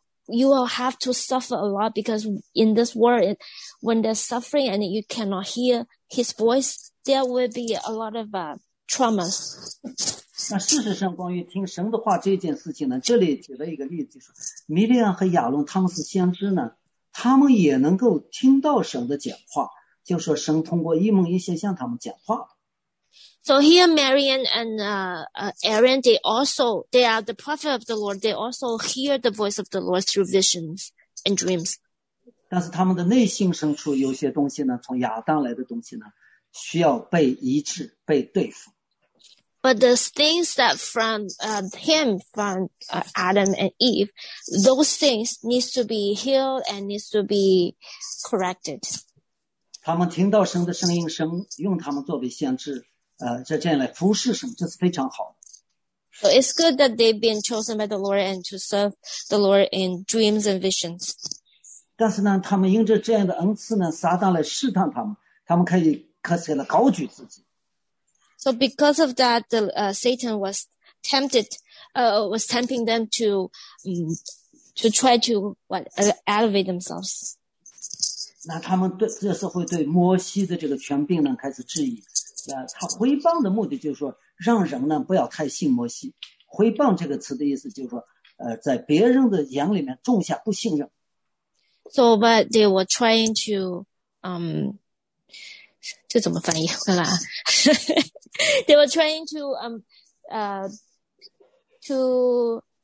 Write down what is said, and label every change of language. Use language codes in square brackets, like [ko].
[en] You will have to suffer a lot because in this world, when there's suffering and you cannot hear his voice, there will be a lot of traumas. [zh] 那事实上，关于听神的话这件事情呢，这里举了一个例子，就是米利安和亚伦他们是先知呢，他们也能够听到神的讲话，就说神通过一梦一现向他们讲话。 [en] So here, Marian and Aaron, they are the prophet of the Lord. They also hear the voice of the Lord through visions and dreams. [zh] 但是他们的内心深处有些东西呢，从亚当来的东西呢，需要被医治、被对付。 [en] But the things that from him, from Adam and Eve, those things needs to be healed and needs to be corrected. [zh] 他们听到神的声音，神用他们作为先知。这样来服侍神，这是非常好的。 [en] So it's good that they've been chosen by the Lord and to serve the Lord in dreams and visions. [zh] 但是呢，他们因着这样的恩赐呢，撒旦来试探他们，他们可以来高举自己。 [en] So because of that, the Satan was tempted, was tempting them to try to what elevate themselves. [zh] 那他们对这时候对摩西的这个权柄呢，开始质疑。他回谤的目的就是说让人呢不要太信摩西。回谤这个词的意思就是说在别人的眼里面种下不信任。 [en] So, but they were trying to, [zh] 这怎么翻译回来 [en] They were trying to, to,